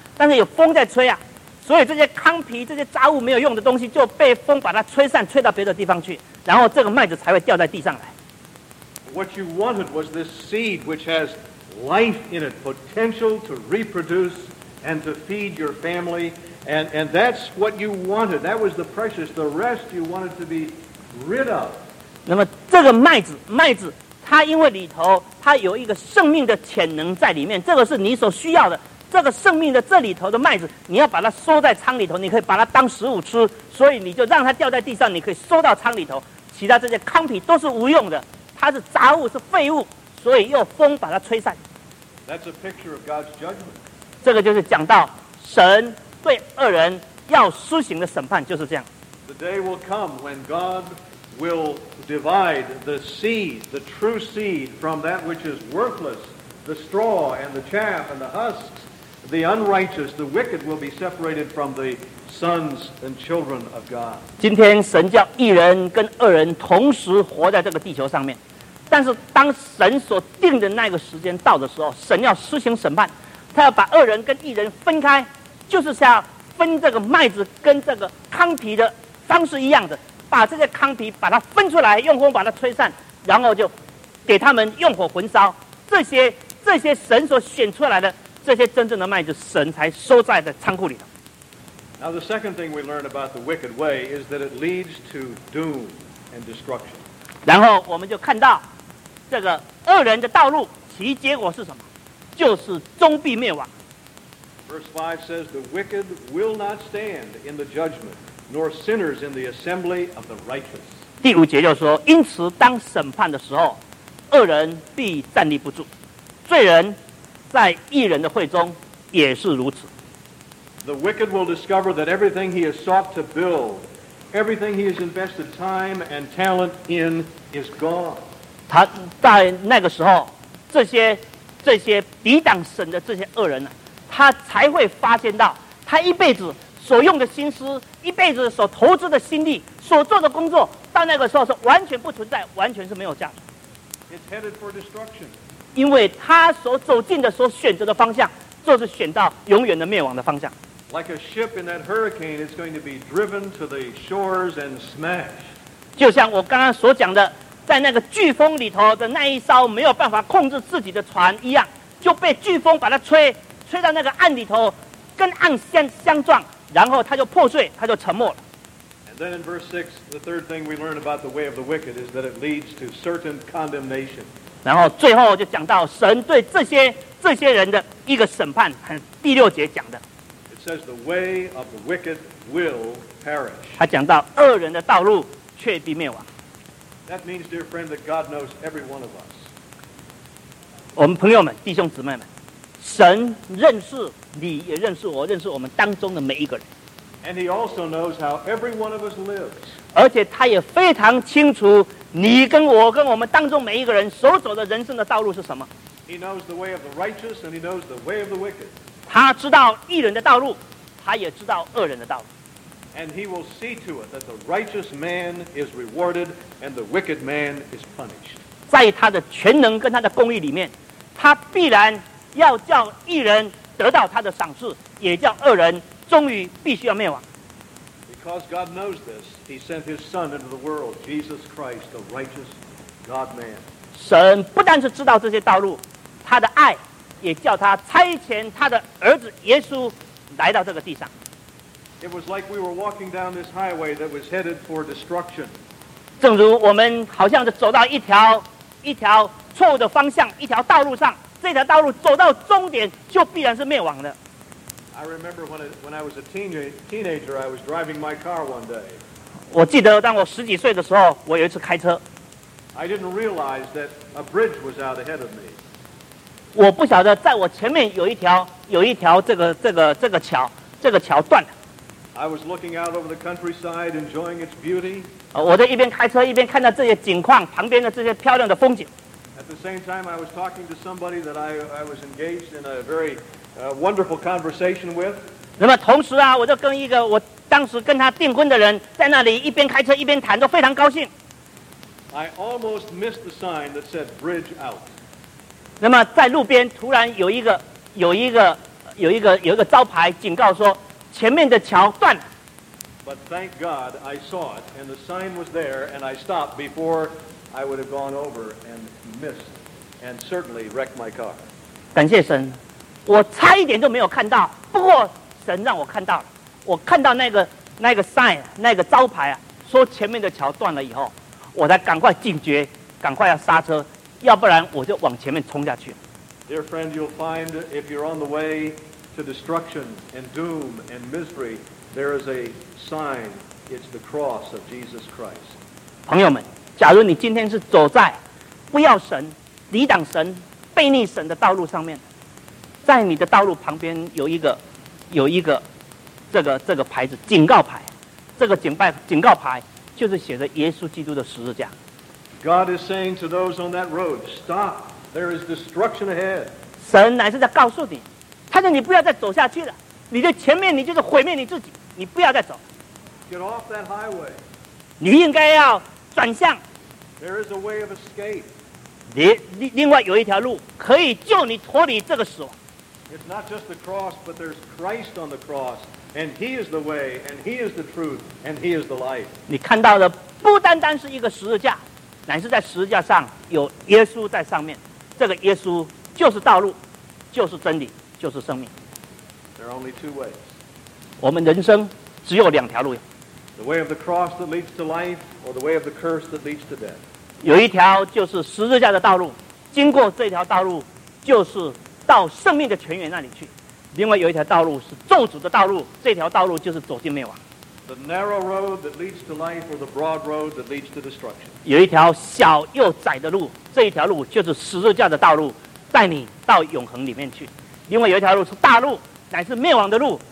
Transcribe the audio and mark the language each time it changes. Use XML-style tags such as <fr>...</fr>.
<zh>但是有风在吹啊，所以这些糠皮、这些杂物没有用的东西就被风把它吹散，吹到别的地方去，然后这个麦子才会掉在地上来。</zh> <en>What you wanted was this seed which has life in it, potential to reproduce and to feed your family. And that's what you wanted. That was the precious. The rest you wanted to be rid of.</en> <zh>那么这个麦子它因为里头它有一个生命的潜能在里面，这个是你所需要的。这个生命的这里头的麦子，你要把它收在仓里头，你可以把它当食物吃，所以你就让它掉在地上，你可以收到仓里头。其他这些糠皮都是无用的，它是杂物，是废物，所以用风把它吹散。</zh> <en>That's a picture of God's judgment.</en> <zh>这个就是讲到神对恶人要施行的审判，就是这样。</zh> <en>The day will come when God will divide the seed, the true seed, from that which is worthless, the straw and the chaff and the husks. The unrighteous, the wicked will be separated from the sons and children of God.</en> <zh>今天神叫义人跟恶人同时活在这个地球上面，但是当神所定的那个时间到的时候，神要施行审判，他要把恶人跟义人分开，就是像分这个麦子跟这个糠皮的方式一样的，把这些糠皮把它分出来，用火把它吹散，然后就给他们用火焚烧。这些神所选出来的这些真正的麦子，神才收在的仓库里头。</zh> <en>Now the second thing we learn about the wicked way is that it leads to doom and destruction.</en> <zh>然后我们就看到这个恶人的道路，其结果是什么？就是终必灭亡。</zh> <en>Verse 5 says, the wicked will not stand in the judgment, nor sinners in the assembly of the righteous.</en> <zh>第五节就说，因此当审判的时候，恶人必站立不住，罪人在义人的会中也是如此。</zh> <en>The wicked will discover that everything he has sought to build, everything he has invested time and talent in, is gone.</en> <zh>他在那个时候，这些抵挡神的这些恶人呢、啊，他才会发现到，他一辈子所用的心思，一辈子所投资的心力，所做的工作，到那个时候是完全不存在，完全是没有价值。</zh> <en>It's headed for destruction.</en> <zh>因为他所走进的、所选择的方向，就是选到永远的灭亡的方向。</zh> <en>Like a ship in that hurricane, it's going to be driven to the shores and smashed.</en> <zh>就像我刚刚所讲的，在那个飓风里头的那一艘没有办法控制自己的船一样，就被飓风把它吹到那个岸里头，跟岸相撞，然后它就破碎，它就沉没了。</zh> <en>And then in verse 6, the third thing we learn about the way of the wicked is that it leads to certain condemnation.</en> <zh>然后最后就讲到神对这些人的一个审判，第六节讲的。</zh> <en>It says the way of the wicked will perish.</en> <zh>他讲到恶人的道路却必灭亡。</zh> <en>That means, dear friend, that God knows every one of us.</en> <zh>我们朋友们，弟兄姊妹们，神认识你，也认识我，认识我们当中的每一个人。</zh> <en>And he also knows how every one of us lives.</en> <zh>而且他也非常清楚你跟我跟我们当中每一个人所走的人生的道路是什么。</zh> <en>He knows the way of the righteous and he knows the way of the wicked.</en> <zh>他知道义人的道路，他也知道恶人的道路。</zh> <en>And he will see to it that the righteous man is rewarded and the wicked man is punished.</en> <zh>在他的全能跟他的公义里面，他必然要叫义人得到他的赏赐，也叫恶人终于必须要灭亡。</zh> <en>Because God knows this, he sent his son into the world, Jesus Christ, the righteous God-man.</en> <zh>神不但是知道这些道路，他的爱也叫他差遣他的儿子耶稣来到这个地上。</zh> <en>It was like we were walking down this highway that was headed for destruction.</en> <zh>正如我们好像是走到一条错误的方向，一条道路上，这条道路走到终点就必然是灭亡的。</zh> <en>I remember when I was a teenager, I was driving my car one day.</en> <zh>我记得当我十几岁的时候，我有一次开车。</zh> <en>I didn't realize that a bridge was out ahead of me.</en> <zh>我不晓得在我前面有一条这个桥，这个桥断了。</zh> <en>I was looking out over the countryside, enjoying its beauty.</en> <zh>我在一边开车一边看到这些景况，旁边的这些漂亮的风景。</zh> <en>At the same time, I was talking to somebody that I was engaged in a very wonderful conversation with.</en> <zh>那么同时啊，我就跟一个我当时跟他订婚的人在那里一边开车一边谈，都非常高兴。</zh> <en>I almost missed the sign that said "Bridge Out."</en> <zh>那么在路边突然有一个招牌警告说。前面的桥断了。</zh> <en>But thank God I saw it, and the sign was there, and I stopped before I would have gone over and missed, and certainly wrecked my car.</en> <zh>感谢神，我差一点都没有看到。不过神让我看到了，我看到那个 sign, 那个招牌啊，说前面的桥断了以后，我才赶快警觉，赶快要刹车，要不然我就往前面冲下去。</zh> <en>Dear friend, you'll find if you're on the way. To destruction and doom and misery, there is a sign. It's the cross of Jesus Christ.</en> <zh>朋友们，假如你今天是走在不要神、抵挡神、背逆神的道路上面，在你的道路旁边有一个这个牌子警告牌，这个警告牌就是写着耶稣基督的十字架。</zh> <en>God is saying to those on that road, stop. There is destruction ahead.</en> <zh>神乃是在告诉你。他说：“你不要再走下去了，你的前面你就是毁灭你自己，你不要再走。</zh> <en>Get off that highway.</en> <zh>你应该要转向。</zh> <en>There is a way of escape.</en> <zh>另外有一条路可以救你脱离这个死亡。</zh> <en>It's not just the cross, but there's Christ on the cross, and He is the way, and He is the truth, and He is the life.</en> <zh>你看到的不单单是一个十字架，乃是在十字架上有耶稣在上面。这个耶稣就是道路，就是真理。” 就是生命。</zh> <en>There are only two ways.</en> <zh>我们人生只有两条路。</zh> <en>The way of the cross that leads to life, or the way of the curse that leads to death.</en> <zh>有一条就是十字架的道路，经过这条道路就是到生命的泉源那里去。另外有一条道路是咒诅的道路，这条道路就是走进灭亡。</zh> <en>The narrow road that leads to life, or the broad road that leads to destruction.</en> <zh>有一条小又窄的路，这一条路就是十字架的道路，带你到永恒里面去。另外有一条路是大路，乃是灭亡的路。</zh>